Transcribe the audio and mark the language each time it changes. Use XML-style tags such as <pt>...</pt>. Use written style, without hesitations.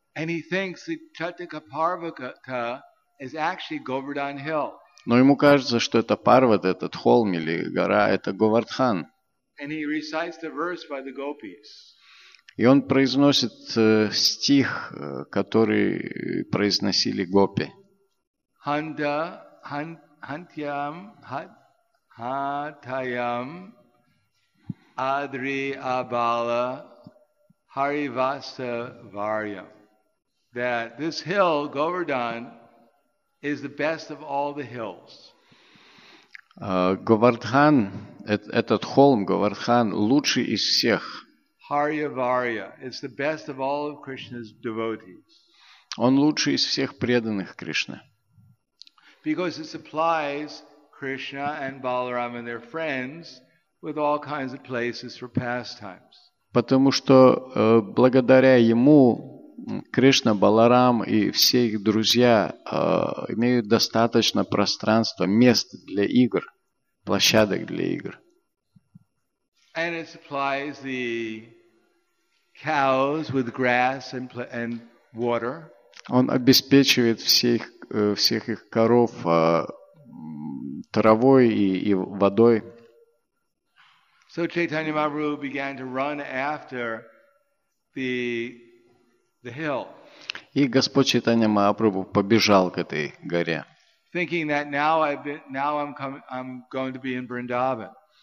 <en>And he thinks that Chataka Parvata is actually Govardhan Hill.</en> <ru>Но ему кажется, что это Парвата, этот холм или гора, это Говардхан.</ru> <en>And he recites the verse by the gopis.</en> <ru>И он произносит стих, который произносили гопи.</ru> <sa>Ханда, хантьям, хатьям, адри абала, хариваса варьям.</sa> <en>That this hill, Govardhan, is the best of all the hills.</en> <ru>Говардхан, этот холм, Говардхан, лучший из всех.</ru> <en>Хариварья, it's the best of all of Krishna's devotees.</en> <ru>Он лучший из всех преданных Кришны.</ru> <en>Because it supplies Krishna and Balaram and their friends with all kinds of places for pastimes.</en> <ru>Потому что благодаря ему Кришна, Баларам и все их друзья имеют достаточно пространства, мест для игр, площадок для игр.</ru> <en>And it supplies the cows with grass and water.</en> <ru>Он обеспечивает всех их коров травой и водой.</ru> <en>So Chaitanya Mahaprabhu began to run after the hill.</en> <ru>И Господь Чайтанья Махапрабху побежал к этой горе.</ru> <en>Thinking that now I'm going to be in Vrindavan.</en>